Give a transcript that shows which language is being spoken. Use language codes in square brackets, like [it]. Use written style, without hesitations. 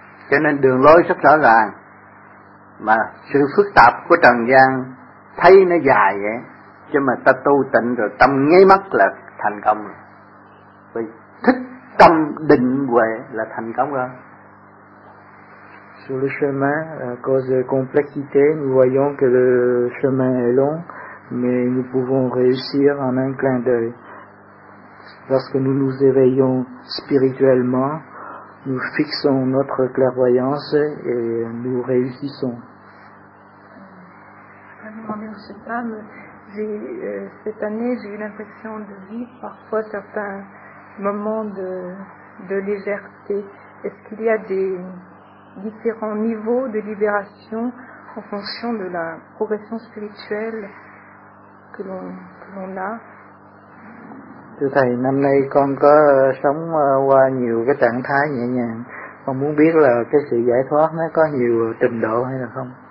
[vi] Cho nên đường lối rất rõ ràng, mà sự phức tạp của trần gian thấy nó dài vậy, chứ mà ta tu tịnh rồi tâm nháy mắt là thành công rồi. Vì thích tâm định huệ là thành công rồi. [fr] Sur le chemin, à cause de complexité, nous voyons que le chemin est long, mais nous pouvons réussir en un clin d'œil. Lorsque nous nous éveillons spirituellement, nous fixons notre clairvoyance et nous réussissons. Cette année, j'ai eu l'impression de vivre parfois certains moments de légèreté. Est-ce qu'il y a des différents niveaux de libération en fonction de la progression spirituelle que l'on a? [vi] Thưa thầy, năm nay con có sống qua nhiều cái trạng thái nhẹ nhàng. Con muốn biết là cái sự giải thoát nó có nhiều trình độ hay là không?